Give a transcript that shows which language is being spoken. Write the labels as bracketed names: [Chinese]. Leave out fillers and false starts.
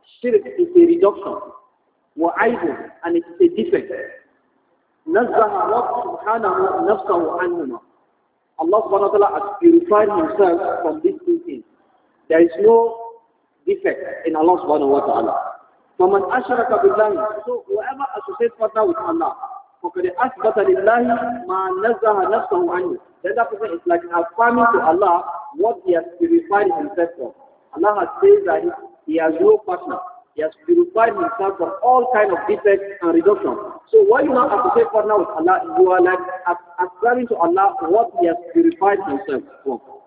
[English] Shirk is a reduction. [Arabic] Wa aibu, [English] and it is a defect. [Arabic] Nazzaha wa subhanahu nafsahu anhuma. [English] Allah subhanahu wa ta'ala has purified himself from these two things. There is no defect in Allah subhanahu wa ta'ala. [Arabic] فَمَنْ أَشْرَكَ بِاللَّهِ. [English] So whoever associates partner with Allah, [Arabic] فَكَدْ أَثْبَتَ لِلَّهِ مَا نَزَّهَ نَفْسَهُ عَنْهُ. [English] Then that person is like affirming to Allah what he has purified himself from. Allah has said that he has no partner. He has purified himself from all kinds of defects and reduction. So why you not associate partner with Allah? You are like affirming to Allah what he has purified himself from.